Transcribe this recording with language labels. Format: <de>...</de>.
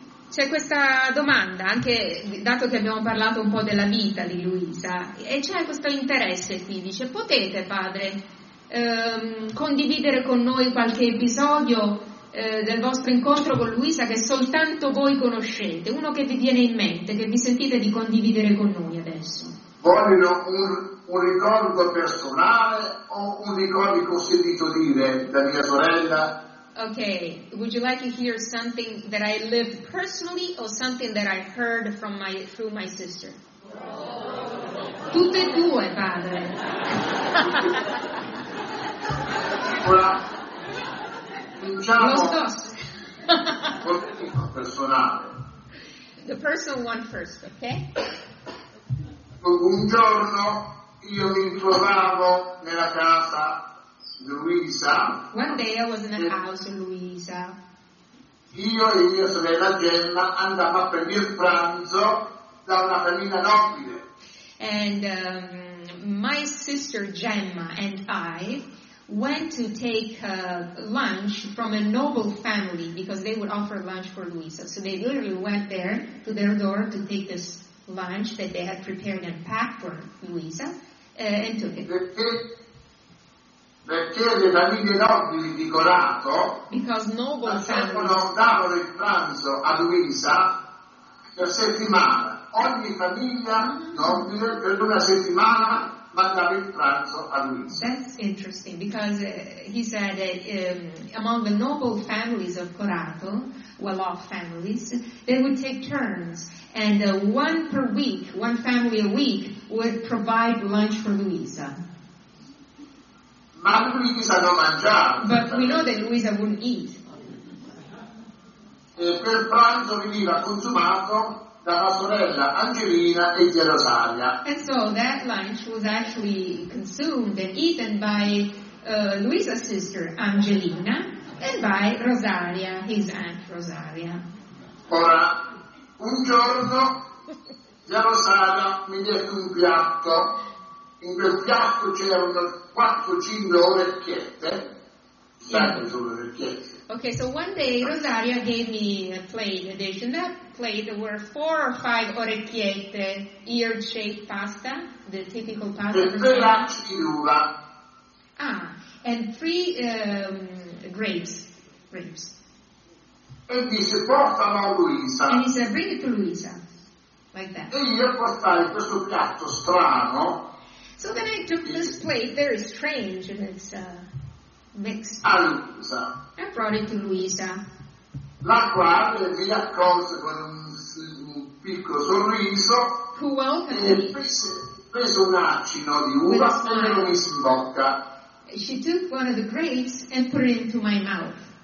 <it>C'è questa domanda, anche dato che abbiamo parlato un po' della vita di Luisa, e c'è questo interesse qui, dice, potete, padre, condividere con noi qualche episodio del vostro incontro con Luisa che soltanto voi conoscete, uno che vi viene in mente, che vi sentite di condividere con noi adesso? Vogliono un ricordo personale o un ricordo che ho sentito dire da mia sorella?</it> <en>Okay, would you like to hear something that I lived personally or something that I heard from my through my sister?</en> <it>Tutte e due, padre. Ora, diciamo, lo personale.</it> <en>The personal one first, okay?</en> <it>Un giorno io mi trovavo nella casa Luisa.</it> <en>One day I was in the house of Luisa.</en> <it>Io e mia sorella Gemma andavamo a prendere pranzo da una famiglia nobile.</it> <en>And my sister Gemma and I went to take lunch from a noble family because they would offer lunch for Luisa. So they literally went there to their door to take this lunch that they had prepared and packed for Luisa and took it.</en> <it>Perché le famiglie nobili di Corato facevano tavolo il pranzo a Luisa per settimana. Ogni famiglia nobile per una settimana mandava il pranzo a Luisa.</it> <en>That's interesting because he said that among the noble families of Corato, well-off families, they would take turns and one per week, one family a week would provide lunch for Luisa.</en> <it>Ma Luisa non mangiava.</it> <en>But we know that Luisa wouldn't eat.</en> <it>E per pranzo veniva consumato dalla sorella Angelina e zia Rosaria.</it> <en>And so that lunch was actually consumed and eaten by Luisa's sister Angelina and by Rosaria, his aunt Rosaria.</en> <it>Ora, un giorno zia Rosaria mi dette un piatto. In quel piatto c'erano 4-5 orecchiette.</it> <en>Okay, so one day Rosaria gave me a plate, a dish. In that plate there were 4 or 5 orecchiette, ear-shaped pasta, the typical pasta.</en> <it>E 3 lacci di uva.</it> <en>Ah, and 3 grapes. Grapes.</en> <it>E dice, portalo a Luisa.</it> <en>And he said, bring it to Luisa. Like that.</en> <it>E io portai questo piatto strano.</it> <en>So then I took this plate, very strange, and it's mixed.</en> <it>A Luisa.</it> <en>I brought it to Luisa.</en> <it>La quale mi accolse con un piccolo sorriso.</it> <en>Who welcomed me.</en> <it>Prese un acino di uva e me lo mise in bocca.</it> <en>She took one of the grapes and put it into my mouth.</en>